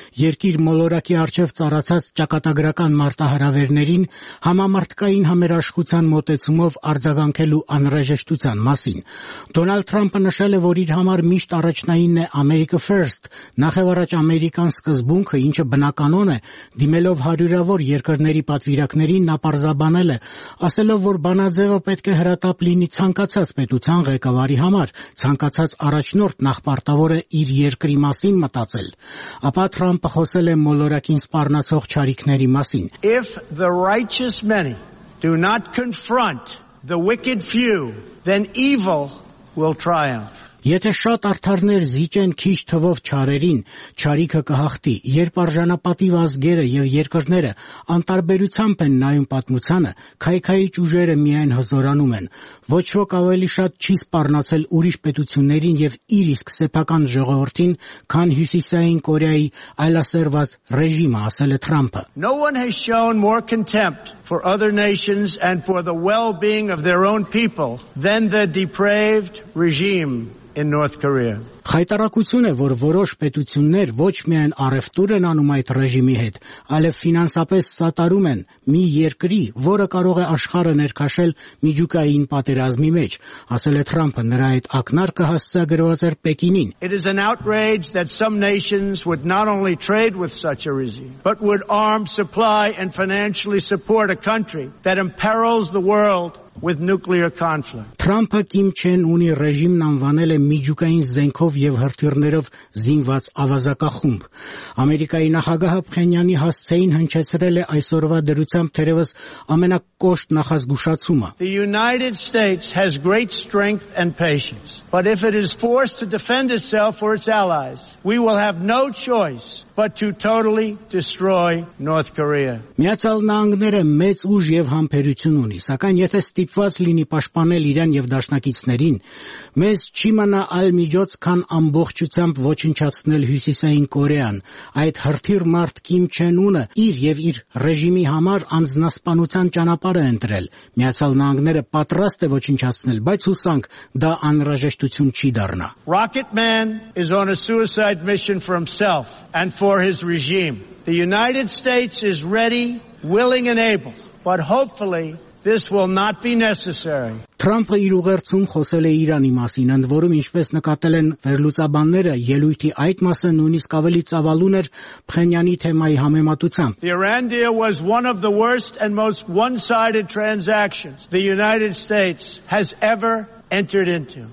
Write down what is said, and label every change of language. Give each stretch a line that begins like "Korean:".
Armenian: երկիր մոլորակի առջև ծառացած ճակատագրական մարտահրավերներին, համամարտկային համերաշխության մոտեցումով արձագանքելու անհրաժեշտության մասին։ Դոնալդ Թրամփը նշել է, որ իր համար միշտ առաջնային է
English: America First,
Armenian: նախևառաջ ամերիկան սկզբունքը, ինչը բնականոն է, դիմելով հարյուրավոր երկրների պատվիրակներին, նա պարզաբանել է, ասելով, որ բանաձևը պետք է հրատապ լինի ցանկացած պետության ղեկավարի համար, ցանկացած առաջնորդ նախպարտավոր է իր երկրի մասին մտածել։ Ապա Թրամփը խոսել է մոլորակին սպառնացող չարիքների մասին.
English: If the righteous many do not confront the wicked few, then evil will triumph.
Armenian: Եթե շատ արդարներ զիջեն քիչ թվով չարերին, չարիքը կհաղթի, երբ արժանապատիվ ազգերը եւ երկրները անտարբերությամբ են նայում պատմությանը, քայքայի ճյուղերը միայն հզորանում են, ոչ ոք ավելի շատ չի սպառնացել ուրիշ պետություններին եւ իր իսկ սեփական ժողովրդին, քան Հյուսիսային Կորեայի այլասերված ռեժիմը, ասել է Թրամփը։
English: No one has shown more contempt for other nations and for the well-being of their own people than the depraved regime in North Korea.
Armenian: Հայտարարություն է, որ որոշ պետություններ ոչ միայն առևտուր են անում այդ ռեժիմի հետ, այլև ֆինանսապես սատարում են մի երկրի, որը կարող է աշխարհը ներքաշել միջուկային պատերազմի մեջ, ասել է Թրամփը, նրա այդ ակնարկը հասցեագրված էր Պեկինին.
English: It is an outrage that some nations would not only trade with such a regime, but would arm, supply and financially support a country that imperils the world with nuclear conflict.
Armenian: Թրամփը Կիմ Չեն Ունի ռեժիմն անվանել է միջուկային զենքով եւ հրթիռներով զինված ավազակախումբ։ Ամերիկայի նախագահը Փխենյանի հասցեին հնչեցրել է այսօրվա դրությամբ թերևս ամենակոշտ նախազգուշացումը։
English: The United States has great strength and patience, but if it is forced to defend itself or its allies, we will have no choice but to totally destroy North Korea.
Armenian: Միացյալ Նահանգները մեծ ուժ եւ համբերություն ունի, սակայն եթե ստիպված լինի պաշտպանել Իրան եւ դաշնակիցներին, մեզ չի մնա այլ միջոց, քան ամբողջությամբ ոչնչացնել Հյուսիսային Կորեան, այդ հրթիռ մարդ Կիմ Չեն Ունը իր եւ իր ռեժիմի համար անznասպանության ճանապարհը ընտրել։ Միացյալ Նահանգները պատրաստ է ոչնչացնել, բայց հուսանք, դա անհրաժեշտություն չի դառնա։
English: Rocket Man is on a suicide mission for himself and for his regime. The United States is ready, willing and able, but hopefully this will not be necessary.
Armenian: Թրամփը իր ուղերձում խոսել է Իրանի մասին, ընդ որում, ինչպես նկատել են վերլուծաբանները, ելույթի այդ մասը նույնիսկ ավելի ծավալուն էր Փխենյանի թեմայի համեմատությամբ.
English: The Iran deal was one of the worst and most one-sided transactions the United States has ever entered into.